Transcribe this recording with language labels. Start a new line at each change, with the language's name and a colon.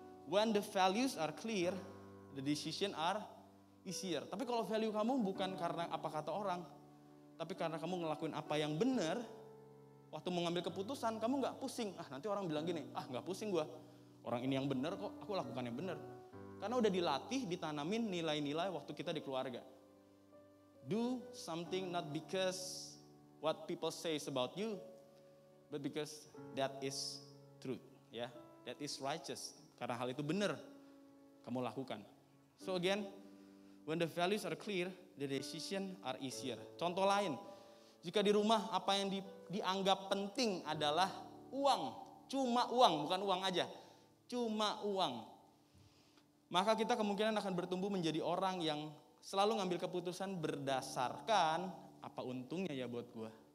English: When the values are clear, the decision are easier.
Indonesian: Tapi kalau value kamu bukan karena apa kata orang, tapi karena kamu ngelakuin apa yang benar, waktu mengambil keputusan, kamu gak pusing. Ah, nanti orang bilang gini, ah gak pusing gue. Orang ini yang benar kok, aku lakukan yang benar. Karena udah dilatih, ditanamin nilai-nilai waktu kita di keluarga.
English: Do something not because what people say about you, but because that is truth. Yeah? That is righteous.
Indonesian: Karena hal itu benar, kamu lakukan.
English: So again, when the values are clear, the decision are easier.
Indonesian: Contoh lain, jika di rumah apa yang dianggap penting adalah uang. Cuma uang, bukan uang aja. Cuma uang. Maka kita kemungkinan akan bertumbuh menjadi orang yang selalu ngambil keputusan berdasarkan apa untungnya ya buat gue.